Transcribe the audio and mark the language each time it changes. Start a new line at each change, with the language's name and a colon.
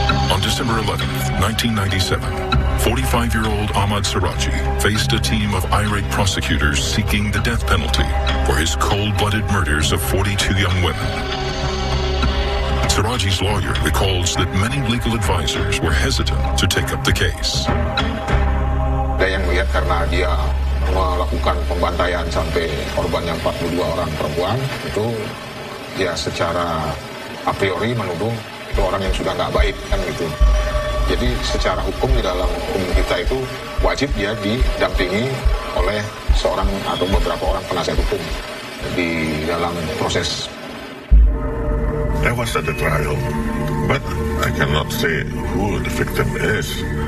English: On December 11th, 1997, 45-year-old Ahmad Suradji faced a team of irate prosecutors seeking the death penalty for his cold-blooded murders of 42 young women. Suradji's lawyer recalls that many legal advisors were hesitant to take up the case.
Indonesian: Ada yang melihat karena dia melakukan pembantaian sampai korbannya 42 orang perempuan, itu ya secara a priori menuduh itu orang yang sudah nggak baik, kan gitu. Jadi secara hukum di dalam hukum kita itu wajib dia didampingi oleh seorang atau beberapa orang penasihat hukum di dalam proses.
English: I was at the trial, but I cannot say who the victim is.